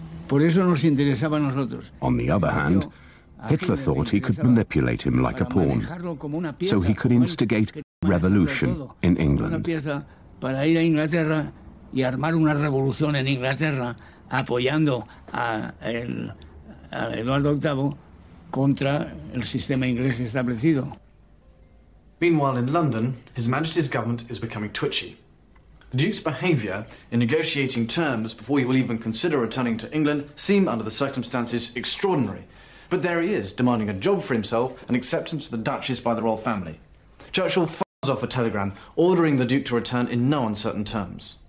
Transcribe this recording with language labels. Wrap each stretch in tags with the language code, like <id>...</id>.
<en>On the other hand, Hitler thought he could manipulate him like a pawn so he could instigate revolution in England.</en> <es>Y armar una revolución en Inglaterra apoyando a Eduardo VIII contra el sistema inglés establecido.</es> <en>Meanwhile, in London, His Majesty's government is becoming twitchy. The Duke's behaviour in negotiating terms before he will even consider returning to England seem, under the circumstances, extraordinary. But there he is, demanding a job for himself and acceptance of the Duchess by the royal family. Churchill fires off a telegram, ordering the Duke to return in no uncertain terms.</en>